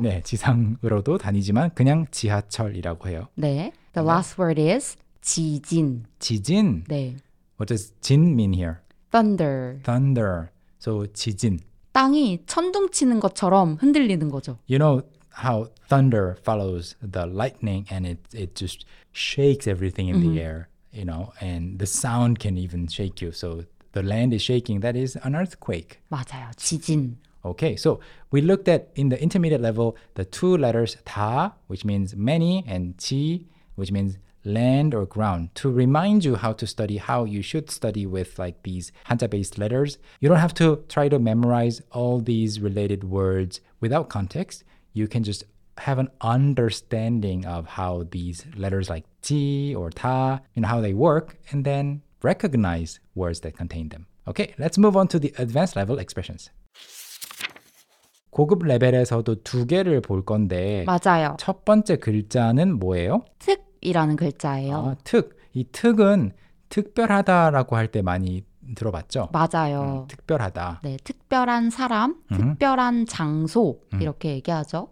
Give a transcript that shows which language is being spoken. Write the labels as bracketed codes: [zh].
[ko] 네, 지상으로도 다니지만 그냥 지하철이라고 해요. [en] 네. The last word is 지진. [ko] 지진? 네. [en] What does 진 mean here? Thunder. Thunder. So 지진. [ko] 땅이 천둥 치는 것처럼 흔들리는 거죠. [en] You know how thunder follows the lightning and it just shakes everything in the air, you know, and the sound can even shake you. So the land is shaking. That is an earthquake. [ko] 맞아요. 지진. [en] Okay, so we looked at in the intermediate level the two letters 다, which means many, and 지, which means land or ground. To remind you how to study, how you should study with like these Hanja-based letters, you don't have to try to memorize all these related words without context. You can just have an understanding of how these letters like 지 or 다, you know, how they work, and then recognize words that contain them. Okay, let's move on to the advanced level expressions. [ko] 고급 레벨에서도 두 개를 볼 건데 맞아요. 첫 번째 글자는 뭐예요? 특! 이라는 글자예요. 아, 특! 이 특은 특별하다라고 할 때 많이 들어봤죠? 맞아요. 특별하다. 네, 특별한 사람, 특별한 장소 이렇게 얘기하죠.